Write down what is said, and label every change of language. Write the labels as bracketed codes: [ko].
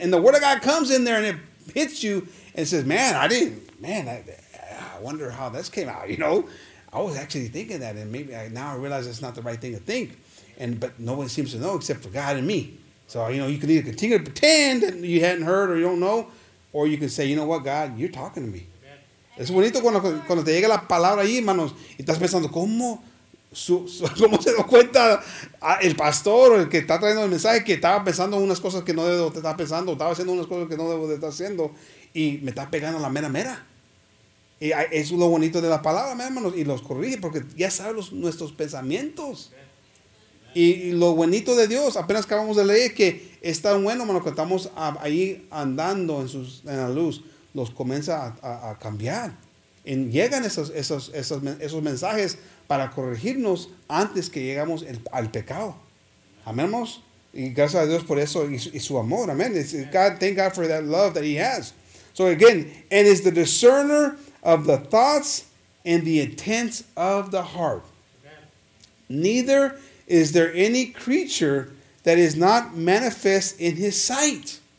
[en] And the word of God comes in there and it hits you and says, I wonder how this came out. You know, I was actually thinking that. And maybe now I realize it's not the right thing to think. But no one seems to know except for God and me. So, you know, you can either continue to pretend that you hadn't heard or you don't know. Or you can say, you know what, God, you're talking to me. Amen. [es] Es bonito cuando te llega la palabra ahí, hermanos. Y estás pensando, ¿cómo? ¿Cómo se dio cuenta el pastor o el que está trayendo el mensaje que estaba pensando unas cosas que no debo de estar pensando, estaba haciendo unas cosas que no debo de estar haciendo y me está pegando la mera mera? Y es lo bonito de la palabra, hermanos, y los corrige porque ya saben nuestros pensamientos. Y lo bonito de Dios, apenas acabamos de leer que es tan bueno, hermanos, que estamos ahí andando en la luz, los comienza a cambiar. Y llegan esos mensajes para corregirnos antes que llegamos al pecado. Amén, hermanos. Y gracias a Dios por eso y su amor. Amén. [en] God, thank God for that love that he has. So again, and is the discerner of the thoughts and the intents of the heart. Neither is there any creature that is not manifest in his sight.